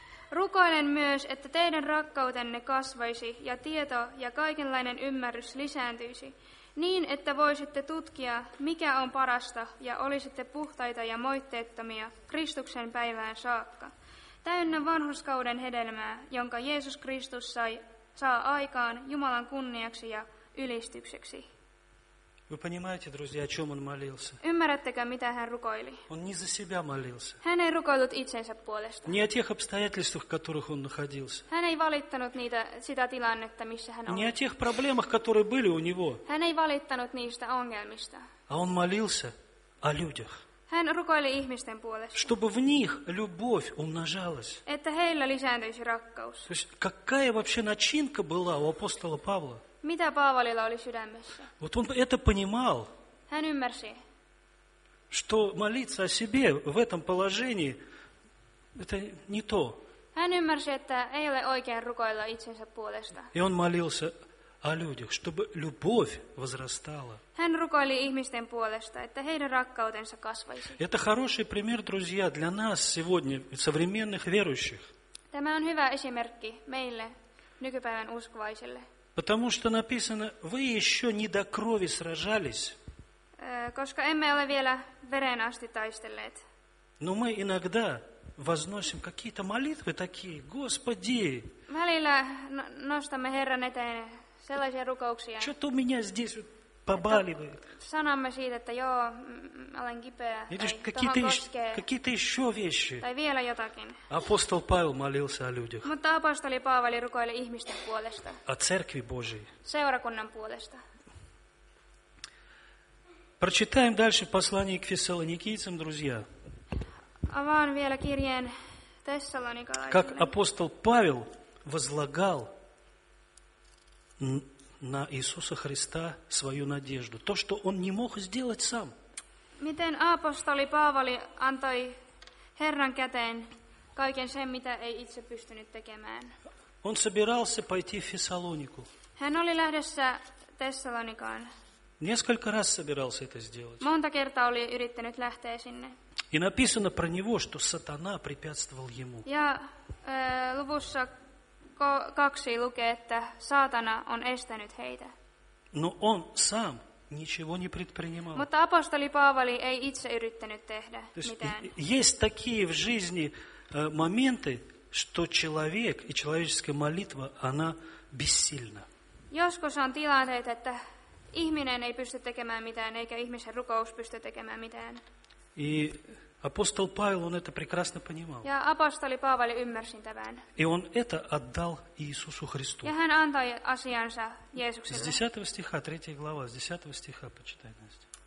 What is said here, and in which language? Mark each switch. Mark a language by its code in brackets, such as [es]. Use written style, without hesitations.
[fi] Rukoilen myös, että teidän rakkautenne kasvaisi ja tieto ja kaikenlainen ymmärrys lisääntyisi, niin että voisitte tutkia, mikä on parasta ja olisitte puhtaita ja moitteettomia Kristuksen päivään saakka. Täynnä vanhurskauden hedelmää, jonka Jeesus Kristus saa aikaan Jumalan kunniaksi ja ylistykseksi. [ru] Вы понимаете, друзья, о чем он молился? [fi] Ymmärrättekö, mitä hän rukoili? [ru] Он не за себя молился. [fi] Hän ei rukoillut itsensä puolesta. [ru] Не о тех обстоятельствах, в которых он находился. [fi] Hän ei valittanut niitä, sitä tilannetta, missä hän oli. [ru] Не о тех проблемах, которые были у него. [fi] Hän ei valittanut niistä ongelmista. [ru] А он молился о людях. [fi] Hän rukoili ihmisten puolesta. [ru] Чтобы в них любовь умножалась. [fi] Että heillä lisääntyisi rakkaus. [ru] То есть, какая вообще начинка была у апостола Павла? [fi] Mitä Paavalilla oli sydämessä? [ru] Вот он это понимал. [fi] Hän ymmärsi. [ru] Что молиться о себе в этом положении это не то. [fi] Hän ymmärsi, että ei ole oikein rukoilla itsensä puolesta. [ru] И он молился о людях, чтобы любовь возрастала. [fi] Hän rukoili ihmisten puolesta, että heidän rakkautensa kasvaisi. [ru] Это хороший пример, друзья, для нас сегодня современных верующих. [fi] Tämä on hyvä esimerkki meille nykypäivän uskovaisille. [ru] Потому что написано: вы еще не до крови сражались. [fi] koska emme ole vielä veren asti taistelleet. [ru] Но мы иногда возносим какие-то молитвы такие: Господи. [fi] Välillä nostamme Herran eteen sellaisia rukouksia. [ru] Что-то у меня здесь вот побаливает. [fi] Sanamme siitä, että joo, olen kipeä. [ru] Какие-то еще вещи. [fi] Tai vielä jotakin. [ru] Апостол Павел молился о людях. [fi] Mutta апостоли Павел рукоили ihmisten puolesta. [ru] О церкви Божией. [fi] Seurakunnan puolesta. [ru] Прочитаем дальше послание к Фессалоникийцам, друзья. [fi] Avaan vielä kirjeen Tessalonikalaisille. [ru] Как апостол Павел возлагал на Иисуса Христа свою надежду, то, что он не мог сделать сам. [fi] Miten апостоли Павли antoi Herran käteen kaiken sen, mitä ei itse pystynyt tekemään. [ru] Он собирался пойти в Фессалонику. [fi] Hän oli lähdössä Tessalonikaan. [ru] Несколько раз собирался это сделать. [fi] Monta kertaa oli yrittänyt lähteä sinne. [ru] И написано про него, что сатана препятствовал ему. [fi] Ja luvussa 2 lukee, että saatana on estänyt heitä. [ru] Но он сам ничего не предпринимал. [fi] Mutta апостоли Павли ei itse yrittänyt tehdä mitään. [ru] Есть такие в жизни моменты, что человек и человеческая молитва, она бессильна. [fi] Joskus on tilanteita, että ihminen ei pysty tekemään mitään, eikä ihmisen rukous pysty tekemään mitään. [ru] И апостол Павел, он это прекрасно понимал. [fi] Ja апостоли Павли ymmärsi tämän. [ru] И он это отдал Иисусу Христу. [fi] Ja hän antoi asiansa Jeesukselle. [ru] С 10 стиха, 3 глава, с 10 стиха почитай, Настя.